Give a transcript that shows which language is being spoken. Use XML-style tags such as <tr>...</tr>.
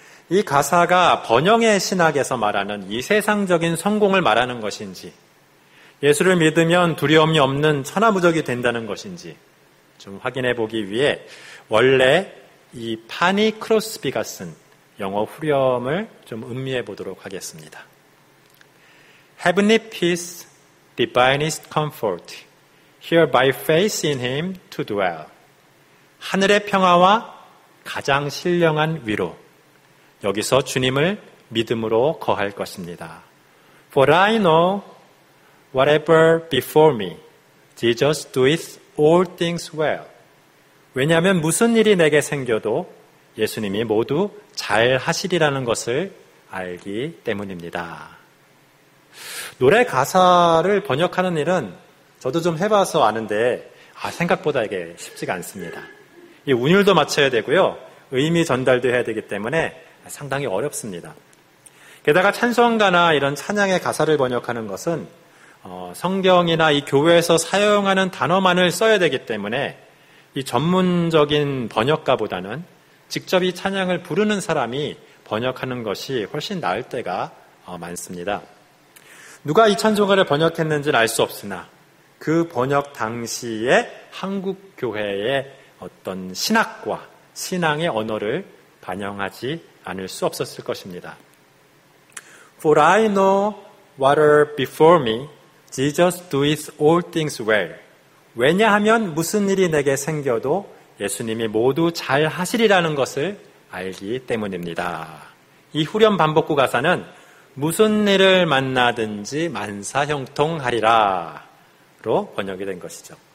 <ko>이 가사가 번영의 신학에서 말하는 이 세상적인 성공을 말하는 것인지, 예수를 믿으면 두려움이 없는 천하무적이 된다는 것인지 좀 확인해 보기 위해 원래 이 파니 크로스비가 쓴 영어 후렴을 좀 음미해 보도록 하겠습니다.</ko> <en>Heavenly peace, divinest comfort, here by faith in him to dwell.</en> <ko>하늘의 평화와 가장 신령한 위로, 여기서 주님을 믿음으로 거할 것입니다.</ko> <en>For I know whatever before me, Jesus doeth all things well.</en> <ko>왜냐하면 무슨 일이 내게 생겨도 예수님이 모두 잘 하시리라는 것을 알기 때문입니다. 노래 가사를 번역하는 일은 저도 좀 해봐서 아는데 생각보다 이게 쉽지가 않습니다. 이 운율도 맞춰야 되고요. 의미 전달도 해야 되기 때문에 상당히 어렵습니다. 게다가 찬송가나 이런 찬양의 가사를 번역하는 것은 성경이나 이 교회에서 사용하는 단어만을 써야 되기 때문에 이 전문적인 번역가보다는 직접 이 찬양을 부르는 사람이 번역하는 것이 훨씬 나을 때가 많습니다. 누가 이 찬송가를 번역했는지는 알 수 없으나 그 번역 당시에 한국 교회의 어떤 신학과 신앙의 언어를 반영하지 않을 수 없었을 것입니다.</ko> <en>For I know what are before me, Jesus doeth all things well.</en> <ko>왜냐하면 무슨 일이 내게 생겨도 예수님이 모두 잘 하시리라는 것을 알기 때문입니다. 이 후렴 반복구 가사는 무슨 일을 만나든지 만사형통하리라로 번역이 된 것이죠.</ko>